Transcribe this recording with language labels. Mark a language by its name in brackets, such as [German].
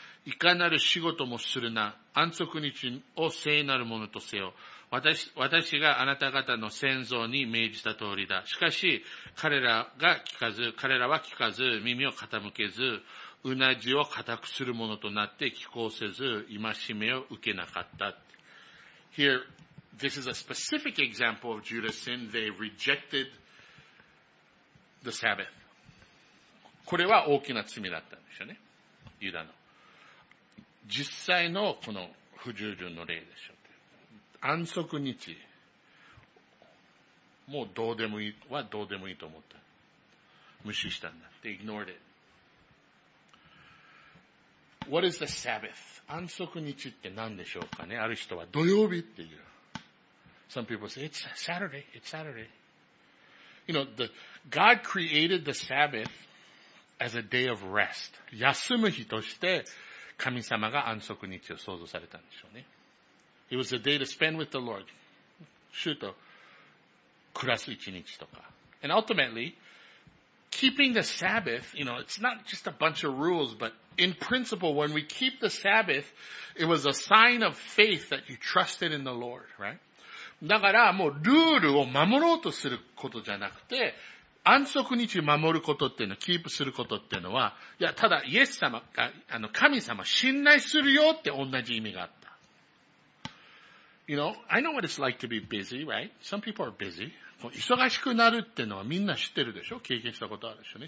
[Japanese] いかなる仕事もするな。安息日を聖なるものとせよ。私があなた方の先祖に命じた通りだ。しかし彼らは聞かず耳を傾けず、うなじを固くするものとなって聞こうせず、戒めを受けなかった。 [English] Here, this is a specific example of Judah's sin. They rejected the Sabbath. [Japanese] これは大きな罪だったんですよね。ユダの。実際のこの不従順の例でしょう。安息日、もうどうでもいい、はどうでもいいと思った。無視したんだ。 [English] They ignored it. What is the Sabbath? [Japanese] 安息日って何でしょうかね。ある人は土曜日っていう。 [English] Some people say, it's Saturday, it's Saturday. You know, God created the Sabbath as a day of rest. [Japanese] 休む日として神様が安息日を創造されたんでしょうね。 [English] It was a day to spend with the Lord. [Japanese] 主と暮らす一日とか。 [English] And ultimately, keeping the Sabbath, you know, it's not just a bunch of rules, but in principle, when we keep the Sabbath, it was a sign of faith that you trusted in the Lord, right? [Japanese] だからもうルールを守ろうとすることじゃなくて、安息日守ることっていうの、キープすることっていうのは、いや、ただイエス様、神様信頼するよって同じ意味があった。 [English] You know, I know what it's like to be busy, right? Some people are busy. [Japanese] 忙しくなるってのはみんな知ってるでしょ？経験したことあるでしょね。